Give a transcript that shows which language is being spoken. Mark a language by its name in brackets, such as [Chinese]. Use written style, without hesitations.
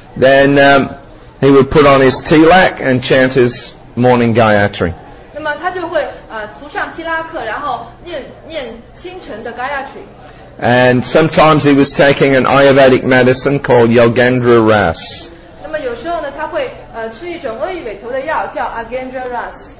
[English] Then he would put on his tilak and chant his morning Gayatri. [Chinese] 那么他就会涂上提拉克，然后念清晨的 Gayatri。 [English] And sometimes he was taking an Ayurvedic medicine called Yogendra Ras. [Chinese] 那么有时候呢，他会吃一种阿育吠陀的药，叫 Yogendra Ras.